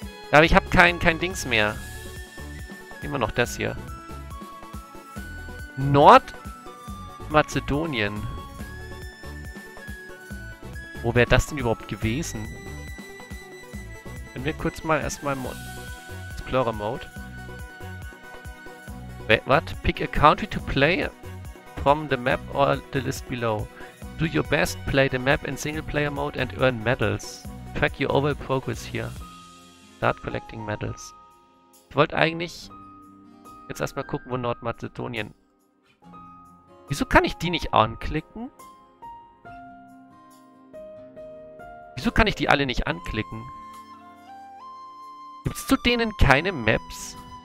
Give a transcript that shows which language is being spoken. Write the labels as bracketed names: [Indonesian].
[German] Ja, aber ich habe kein Dings mehr. Immer noch das hier. Nordmazedonien. Wo wäre das denn überhaupt gewesen? Wir kurz mal erstmal Explorer Mode. [English] Wait, what? Pick a country to play from the map or the list below. Do your best, play the map in single player mode and earn medals. Track your overall progress here. Start collecting medals. [German] Ich wollte eigentlich jetzt erstmal gucken, wo Nordmazedonien. Wieso kann ich die nicht anklicken? Wieso kann ich die alle nicht anklicken? Gibt's zu denen keine Maps?